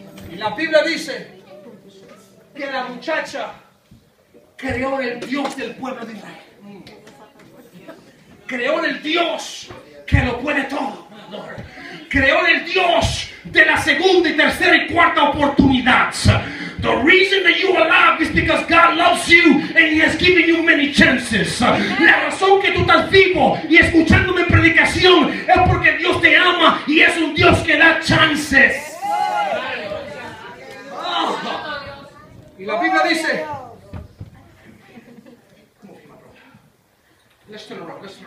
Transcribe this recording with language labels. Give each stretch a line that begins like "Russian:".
Spanish: Y la Biblia dice que la muchacha creó en el Dios del pueblo de Israel. Creó en el Dios que lo puede todo. Creó en el Dios de la segunda y tercera y cuarta oportunidad.
English: The reason that you are alive is because God loves you and He has given you many chances.
Spanish: La razón que tú estás vivo y escuchando mi predicación es porque Dios te ama y es un Dios que da chances. Y la Biblia dice,
English: let's turn around.